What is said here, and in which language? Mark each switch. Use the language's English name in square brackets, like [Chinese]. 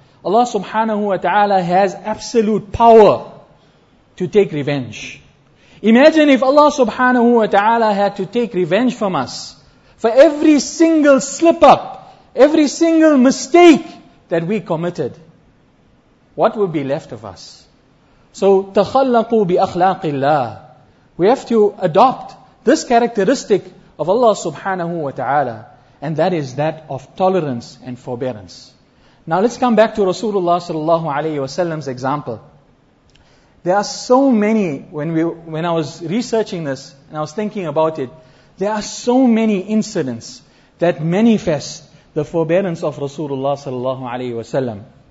[English] Allah subhanahu wa ta'ala has absolute power to take revenge. Imagine if Allah subhanahu wa ta'ala had to take revenge from us for every single slip up, every single mistake that we committed. What would be left of us? [Arabic] So, تَخَلَّقُوا بِأَخْلَاقِ اللَّهِ. [English] We have to adopt this characteristic of Allah subhanahu wa ta'ala, and that is that of tolerance and forbearance. Now let's come back to Rasulullah sallallahu alayhi wa sallam's example. There are so many, when I was researching this, and I was thinking about it, there are so many incidents that manifest the forbearance of Rasulullah sallallahu alayhi wa sallam.